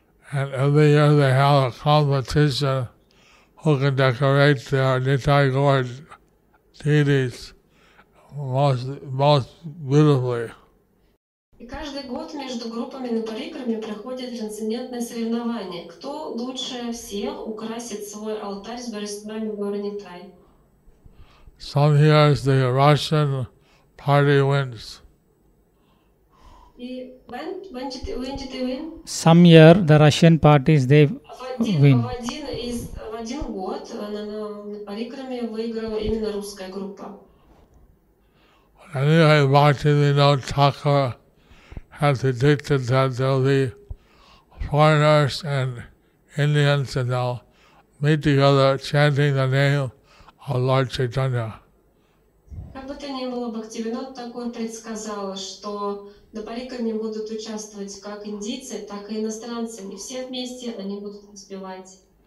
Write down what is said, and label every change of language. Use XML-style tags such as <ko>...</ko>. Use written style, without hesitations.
<en>And every year they have a competition who can decorate their Nittai Gorge deities most beautifully.</en> <ru>И каждый год между группами на парикраме проходит трансцендентное соревнование. Кто лучше всех украсит свой алтарь с божествами горы Нитай?</ru> <en>Some years the Russian party wins. When did they win? Some year the Russian parties they win.</en> <ru>В один год на парикраме выиграла именно русская группа.</ru> <en>Anyway, Bhaktivinoda Thakur has predicted that there will be foreigners and Indians and they'll meet together chanting the name of Lord Chaitanya.</en> <ru>Как бы то ни было, Бхактивинода Такур предсказала, что на парикраме будут участвовать как индийцы, так и иностранцы. И все вместе они будут успевать.</ru>